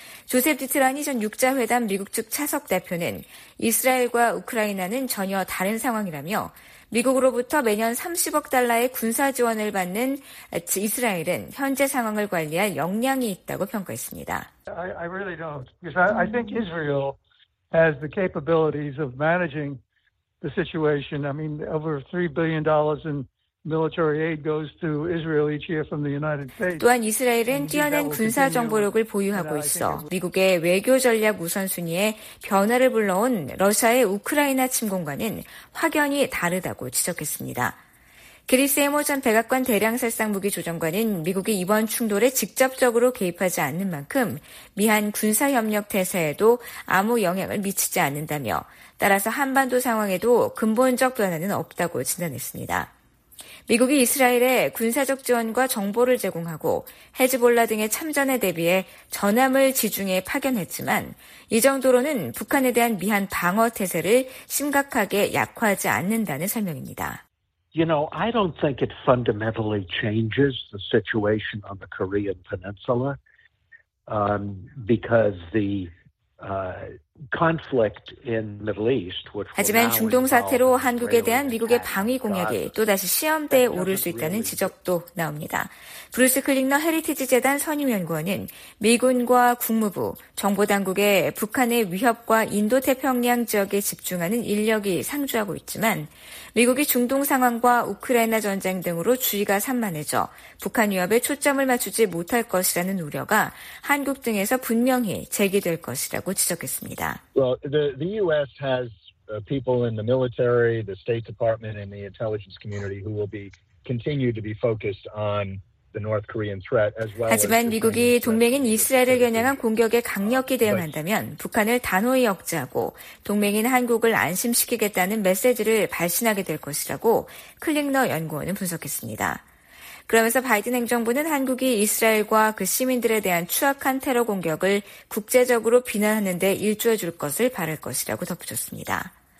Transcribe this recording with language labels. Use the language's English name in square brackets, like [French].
[Korean] 조셉 디트라니 전 6자회담 미국 측 차석 대표는 이스라엘과 우크라이나는 전혀 다른 상황이라며 미국으로부터 매년 30억 달러의 군사 지원을 받는 이스라엘은 현재 상황을 관리할 역량이 있다고 평가했습니다. [English] I really don't. Because I think Israel has the capabilities of managing the situation. I mean, over $3 billion in military aid goes to Israel each year from the United States. [Korean] 또한 이스라엘은 뛰어난 군사 정보력을 보유하고 있어 미국의 외교 전략 우선순위에 변화를 불러온 러시아의 우크라이나 침공과는 확연히 다르다고 지적했습니다. 그리스 에모 전 백악관 대량살상 무기 조정관은 미국이 이번 충돌에 직접적으로 개입하지 않는 만큼 미한 군사협력 태세에도 아무 영향을 미치지 않는다며 따라서 한반도 상황에도 근본적 변화는 없다고 진단했습니다. 미국이 이스라엘에 군사적 지원과 정보를 제공하고 헤즈볼라 등의 참전에 대비해 전함을 지중해 파견했지만 이 정도로는 북한에 대한 미한 방어 태세를 심각하게 약화하지 않는다는 설명입니다. [English] You know, I don't think it fundamentally changes the situation on the Korean Peninsula because the conflict in the Middle East, which [Korean] 하지만 중동 사태로 한국에 대한 미국의 방위 공약이 또다시 시험대에 오를 수 있다는 지적도 나옵니다. 브루스 클링너 헤리티지 재단 선임연구원은 미군과 국무부, 정보당국에 북한의 위협과 인도태평양 지역에 집중하는 인력이 상주하고 있지만 미국이 중동 상황과 우크라이나 전쟁 등으로 주의가 산만해져 북한 위협에 초점을 맞추지 못할 것이라는 우려가 한국 등에서 분명히 제기될 것이라고 지적했습니다. [English] Well, the U.S. has people in the military, the State Department, and the intelligence community who will be continue to be focused on the North Korean threat as well. [Korean] 하지만 미국이 동맹인 이스라엘을 겨냥한 공격에 강력히 대응한다면 북한을 단호히 억제하고 동맹인 한국을 안심시키겠다는 메시지를 발신하게 될 것이라고 클링너 연구원은 분석했습니다. 그러면서 바이든 행정부는 한국이 이스라엘과 그 시민들에 대한 추악한 테러 공격을 국제적으로 비난하는 데 일조해 줄 것을 바랄 것이라고 덧붙였습니다.